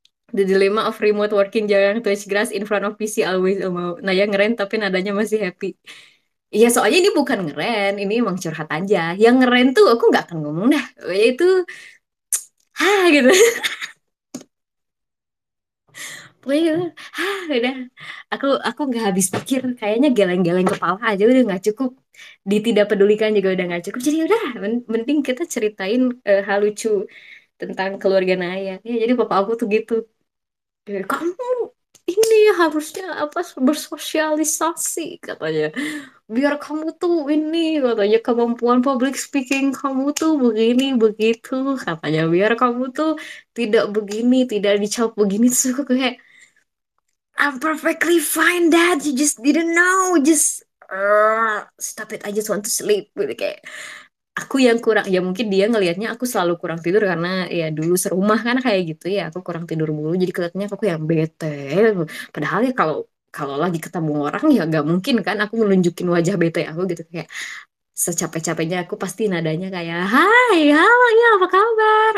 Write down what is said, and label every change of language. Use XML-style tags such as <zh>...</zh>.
<en>The dilemma of remote working,</en> <id>jarang</id> <en>touch grass in front of PC, always</en> <id>mau. Nah ya ngeren, tapi nadanya masih happy. Iya, soalnya ini bukan ngeren, ini emang curhat aja. Yang ngeren tuh, aku gak akan ngomong dah. Itu, hah, gitu. Pokoknya, hah, udah. Aku nggak habis pikir. Kayaknya geleng-geleng kepala aja udah nggak cukup. Ditidak pedulikan juga udah nggak cukup. Jadi udah, mending kita ceritain hal lucu tentang keluarga Naya. Ya, jadi papa aku tuh gitu. Kamu ini harusnya apa bersosialisasi katanya. Biar kamu tuh ini katanya kemampuan public speaking kamu tuh begini begitu katanya. Biar kamu tuh tidak begini, tidak dicap begini tuh kayak.</id> <en>I'm perfectly fine, Dad. You just didn't know. Just stop it. I just want to sleep.</en> <id>Gitu kayak. Aku yang kurang. Ya mungkin dia ngelihatnya aku selalu kurang tidur karena ya dulu serumah kan kayak gitu ya. Aku kurang tidur mulu. Jadi kelihatannya aku yang bete. Padahal ya kalau kalau lagi ketemu orang ya gak mungkin kan aku menunjukin wajah bete aku gitu kayak. Secapek-capeknya aku pasti nadanya kayak hai, halo, iya apa kabar?</id>